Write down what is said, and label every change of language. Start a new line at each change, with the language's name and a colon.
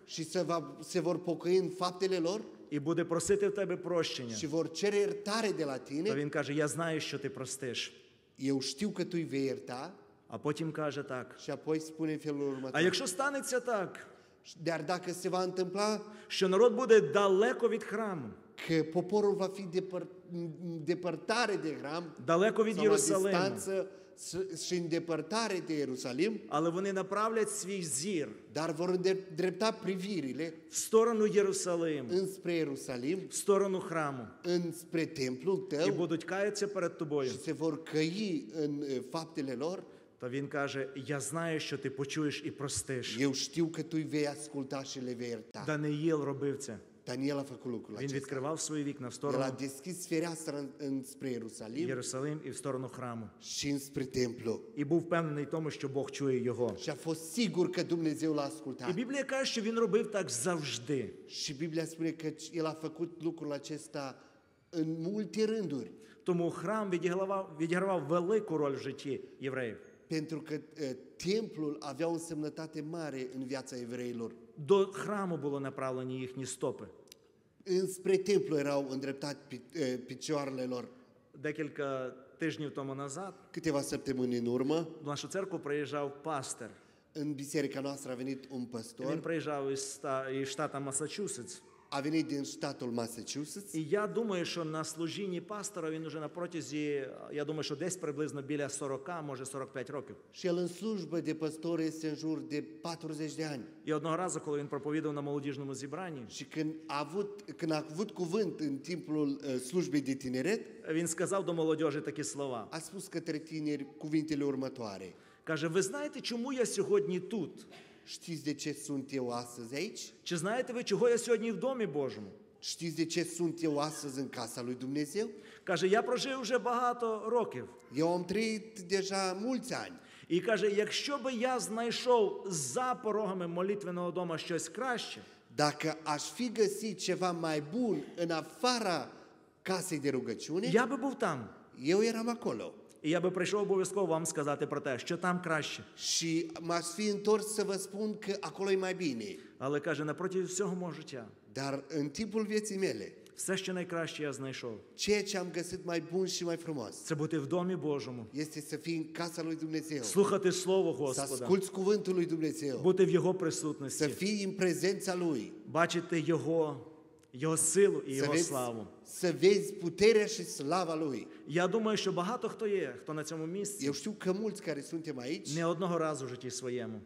Romanian: Și se vor pocăi în faptele lor.
Ukrainian: І буде просити в тебе прощення.
Romanian: Și vor cere iertare de la tine.
Ukrainian: То він каже, я знаю, що ти простиш.
Romanian: Eu știu că tu îi vei ierta.
Ukrainian: А потім каже так.
Romanian: Și apoi spune în felul următor.
Ukrainian: А якщо станеться так?
Romanian: Dar dacă se va întâmpla,
Ukrainian: що народ буде далеко від храму.
Romanian: Că poporul va fi depărtare de храм.
Ukrainian: Далеко від Єрусалима.
Romanian: Și îndepărtare de Ierusalim.
Ukrainian: Але вони направлять свій зір.
Romanian: Dar vor îndrepta privirile.
Ukrainian: В сторону Єрусалим.
Romanian: Înspre Ierusalim.
Ukrainian: В сторону храму.
Romanian: Înspre templul tău.
Ukrainian: І будуть каятися перед тобою.
Romanian: Și se vor căi în faptele lor.
Ukrainian: Та він каже, я знаю, що ти почуєш і простиш.
Romanian: Eu știu că tu vei asculta și le vei ierta.
Ukrainian: Даниїл робив це.
Romanian: Daniel a făcut lucrul acesta.
Ukrainian: Він відкривав свої вікна в сторону.
Romanian: El a deschis fereastra înspre Ierusalim.
Ukrainian: Ierusalim і в сторону храму.
Romanian: Și înspre templu.
Ukrainian: І був впевнений в тому, що Бог чує його.
Romanian: Și a fost sigur că Dumnezeu l-a ascultat.
Ukrainian: І Біблія каже, що він робив так завжди.
Romanian: Și Biblia spune că el a făcut lucrul acesta în multe rânduri.
Ukrainian: Тому храм відігравав велику роль в житті євреїв.
Romanian: Pentru că templul avea o însemnătate mare în viața evreilor.
Ukrainian: До храму було направлені їхні стопи.
Romanian: Înspre templu erau îndreptate picioarele lor.
Ukrainian: Декілька тижнів тому назад.
Romanian: Câteva săptămâni în urmă.
Ukrainian: До нашу церкву приїжджав пастор.
Romanian: În biserica noastră a venit un pastor.
Ukrainian: Він приїжджав із штата Масачусетс.
Romanian: A venit din statul Massachusetts.
Ukrainian: І я думаю, що на служінні пастора він уже на протязі, я думаю, що десь приблизно біля 40, може 45 років.
Romanian: Și el în slujbă de pastor este în jur de 40 de ani.
Ukrainian: І одного разу, коли він проповідав на молодіжному зібранні,
Romanian: și când a avut cuvânt în timpul slujbei de tineret,
Ukrainian: він сказав до молодіжі такі слова.
Romanian: A spus către tineri cuvintele următoare.
Ukrainian: Каже, ви знаєте, чому я сьогодні тут?
Romanian: Știți de ce sunt eu astăzi aici?
Ukrainian: Чи знаєте ви, чого я сьогодні в домі Божому?
Romanian: Știți de ce sunt eu astăzi în casa lui Dumnezeu?
Ukrainian: Каже, я прожив вже багато років.
Romanian: Eu am trăit deja mulți ani.
Ukrainian: І каже, якщо би я знайшов за порогами молитвенного дома щось краще,
Romanian: dacă aș fi găsit ceva mai bun în afara casei de rugăciune,
Ukrainian: я би був там.
Romanian: Eu eram acolo.
Ukrainian: І я би прийшов обов'язково вам сказати про те, що там краще.
Romanian: Și m-aș fi întors să vă spun că acolo e mai bine.
Ukrainian: Але каже, напротив всього мого життя.
Romanian: Dar în timpul vieții mele.
Ukrainian: Все, що найкраще я знайшов.
Romanian: Ceea ce am găsit mai bun și mai frumos.
Ukrainian: Це бути в домі Божому.
Romanian: Este să fii în casa lui Dumnezeu.
Ukrainian: Слухати Слово Господа.
Romanian: Să asculți cuvântul lui Dumnezeu.
Ukrainian: Бути в Його присутності.
Romanian: Să fii în prezența Lui.
Ukrainian: Бачити Його. Його силу і Його славу.
Romanian: Це весь путеря і слава Лui.
Ukrainian: Я думаю, що багато хто є, хто на цьому місці.
Romanian: Я вважаю, що мульти, які сунтем аїч.
Ukrainian: Не одного разу в житті своєму.